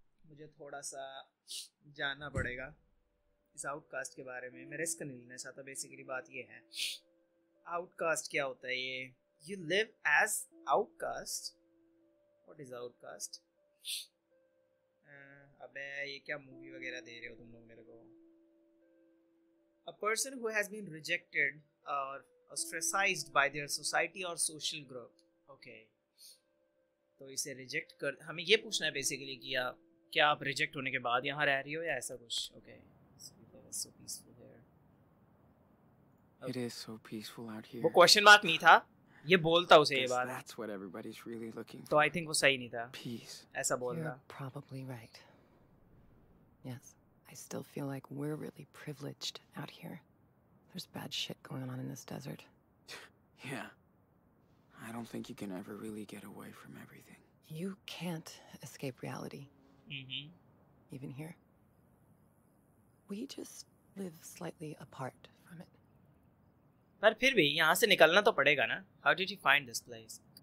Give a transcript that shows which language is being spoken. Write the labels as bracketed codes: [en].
[hi] मुझे थोड़ा सा जानना पड़ेगा इस outcast के बारे में. मैं risk नहीं लेना चाहता. Basically बात ये है. Outcast क्या होता है ये? [en] You live as outcast. What is outcast? [hi] अबे ये क्या movie वगैरह दे रहे हो तुम लोग मेरे को? [en] A person who has been rejected or ostracized by their society or social group. [hi] Okay तो इसे रिजेक्ट कर, हमें ये पूछना है बेसिकली कि क्या आप रिजेक्ट होने के बाद यहाँ रह रही हो या ऐसा कुछ. [en] okay it is so peaceful out here, [hi] वो क्वेश्चन मार्क नहीं था, ये बोलता उसे ये बात. [en] that's what everybody is really looking, [hi] तो [en] I think [hi] वो सही नहीं था. [en] peace [hi] ऐसा बोलना. [en] Probably right. Yes I still feel like we are really privileged out here. There is bad shit going on in this desert. या I don't think you can ever really get away from everything. You can't escape reality. Mm-hmm. Even here. We just live slightly apart from it. [hi] But phir bhi yahan se nikalna to padega na. [en] How did you find this place?